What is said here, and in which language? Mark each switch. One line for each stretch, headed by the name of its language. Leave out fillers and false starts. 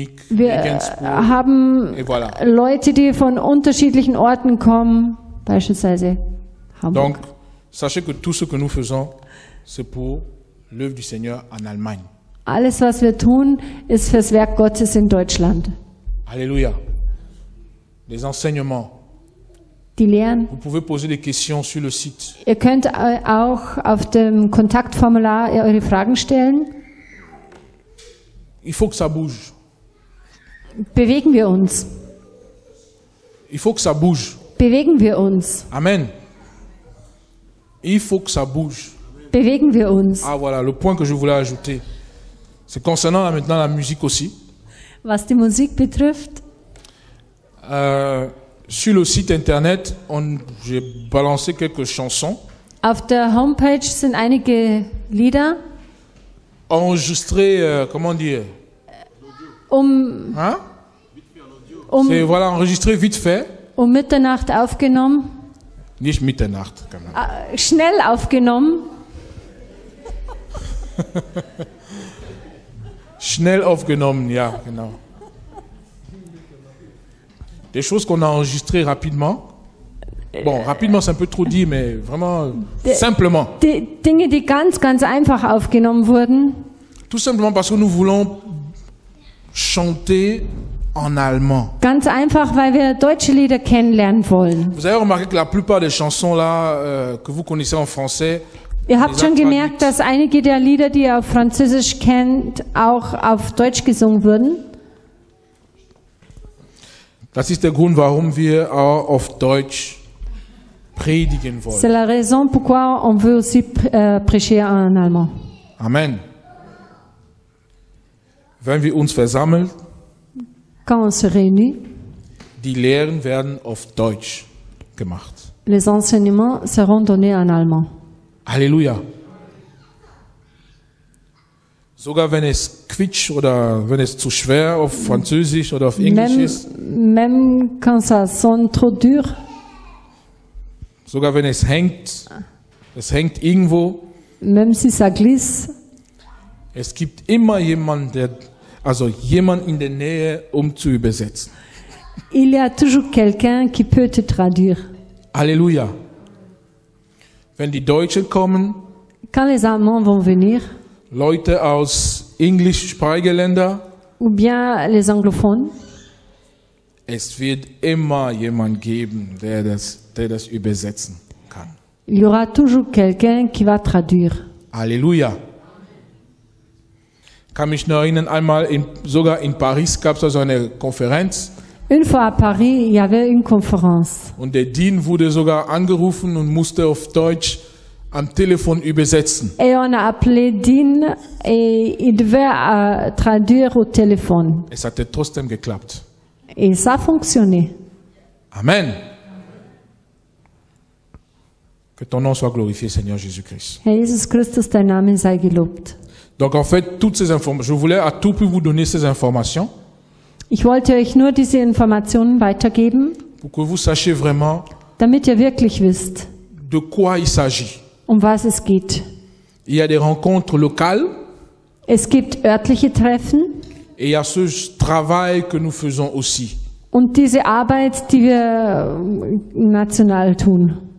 German: Wir haben Leute, die von unterschiedlichen Orten kommen, beispielsweise Hamburg.
French: Donc, sachez que tout ce que nous faisons, c'est pour l'œuvre du Seigneur en Allemagne.
German: Alles, was wir tun, ist fürs Werk Gottes in Deutschland.
French: Alléluia. Les enseignements,
German: die Lehren.
French: Vous pouvez poser des questions sur le site.
German: Ihr könnt auch auf dem Kontaktformular eure Fragen stellen.
French: Il faut que ça bouge.
German: Bewegen wir uns.
French: Il faut que ça bouge.
German: Bewegen wir uns.
French: Amen. Il faut que ça bouge.
German: Bewegen wir uns.
French: Ah voilà, le point que je voulais ajouter, c'est concernant maintenant la musique aussi.
German: Was die Musik betrifft.
French: Sur le site internet, j'ai balancé quelques chansons.
German: Auf der Homepage sind einige Lieder.
French: Enregistrées, comment dire? Hein? C'est voilà, enregistré vite fait.
German: Mitternacht aufgenommen. Nicht Mitternacht,
French: quand même.
German: Schnell aufgenommen. Schnell aufgenommen, ja, genau.
French: Des choses qu'on a enregistrées rapidement. Bon, rapidement, c'est un peu trop dit, mais vraiment, simplement.
German: Des Dinge, die ganz, ganz einfach aufgenommen wurden.
French: Tout simplement parce que nous voulons chanter en allemand.
German: Ganz einfach, weil wir deutsche Lieder kennenlernen wollen.
French: Vous avez remarqué que la plupart des chansons là, que vous connaissez en français,
German: ihr habt schon gemerkt, dass einige der Lieder, die ihr auf Französisch kennt, auch auf Deutsch gesungen wurden. Das ist der Grund, warum wir auch auf Deutsch predigen wollen.
French: C'est la raison pourquoi on veut aussi prêcher en allemand. Amen.
German: Wenn wir uns versammeln,
French: quand on se réunit,
German: die Lehren werden auf Deutsch gemacht.
French: Les enseignements seront donnés en allemand. Alléluia.
German: Sogar wenn es quitsch oder wenn es zu schwer auf Französisch oder auf Englisch ist.
French: Même quand ça sonne trop dur.
German: Sogar wenn es hängt irgendwo.
French: Même si ça glisse.
German: Es gibt immer jemanden, der, also jemand in der Nähe, um zu übersetzen.
French: Il y a toujours quelqu'un qui peut te traduire. Alléluia.
German: Wenn die Deutschen kommen.
French: Quand les Allemands vont venir.
German: Leute aus englischsprachigen Ländern.
French: Ou bien les anglophones.
German: Es wird immer jemand geben, der das übersetzen kann.
French: Il y aura toujours quelqu'un qui va traduire. Alléluia.
German: Kann mich noch erinnern, einmal sogar in Paris gab es also eine Konferenz.
French: Une fois à Paris, il y avait une conférence.
German: Und der Dean wurde sogar angerufen und musste auf Deutsch am Telefon übersetzen.
French: Et on a appelé Dean et il devait traduire au téléphone.
German: Es hatte trotzdem geklappt.
French: Et ça fonctionnait. Amen. Que ton nom soit glorifié, Seigneur Jésus-Christ.
German: Herr Jesus Christus, dein Name sei gelobt.
French: Donc en fait, toutes ces informations, je voulais à tout prix vous donner ces informations.
German: Ich wollte euch nur diese Informationen weitergeben.
French: Pour que vous sachiez vraiment.
German: Damit ihr wirklich wisst.
French: De quoi il s'agit.
German: Um was es geht.
French: Il y a des rencontres locales.
German: Es gibt örtliche Treffen.
French: Et il y a ce travail que nous faisons aussi.
German: Und diese Arbeit, die wir national tun.